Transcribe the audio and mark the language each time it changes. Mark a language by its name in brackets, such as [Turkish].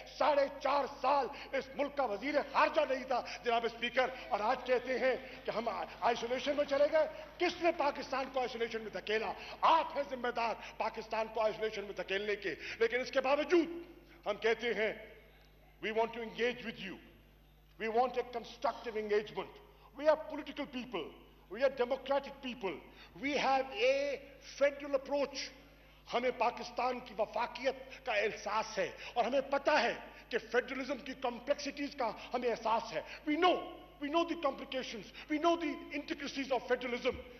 [Urdu] 4.5 سال اس ملک کا وزیر خارجہ نہیں تھا جناب اسپیکر، اور آج کہتے ہیں کہ ہم آئسولیشن میں چلے گئے. کس نے پاکستان کو آئسولیشن میں دھکیلا؟ آپ ہیں ذمہ دار پاکستان کو آئسولیشن میں دھکیلنے کے. لیکن اس کے باوجود ہم کہتے ہیں [English] We want to engage with you, we want a constructive engagement. We are political people. We are democratic people. We have a federal approach. [Urdu] ہمیں پاکستان کی وفاقیت کا احساس ہے اور ہمیں پتا ہے کہ فیڈرلزم کی کمپلیکسٹیز کا ہمیں احساس ہے. [English] We know the complications. We know the intricacies of federalism.